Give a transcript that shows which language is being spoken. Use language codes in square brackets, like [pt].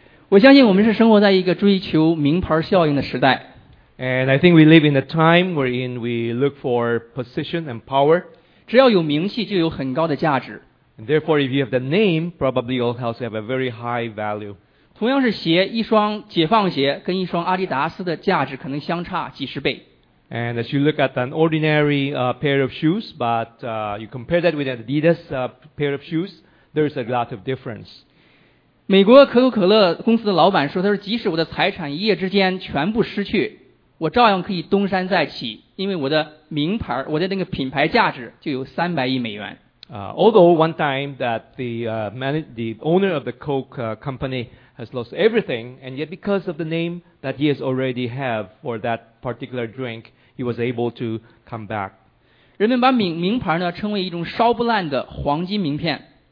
[zh] 我相信我们是生活在一个追求名牌效应的时代。 [en] And I think we live in a time wherein we look for position and power. [zh] 只要有名气就有很高的价值。 [en] And therefore, if you have the name, probably you also have a very high value. [zh] 同样是鞋，一双解放鞋跟一双阿迪达斯的价值可能相差几十倍。 [en] And as you look at an ordinary pair of shoes, but you compare that with an Adidas pair of shoes, there's a lot of difference. [zh] 美国可口可乐公司的老板说，他说，即使我的财产一夜之间全部失去，我照样可以东山再起，因为我的名牌，我的那个品牌价值就有300亿美元。 [en] Although one time that the owner of the Coke company has lost everything, and yet because of the name that he has already have for that particular drink, he was able to come back. [zh] 人们把名牌呢称为一种烧不烂的黄金名片。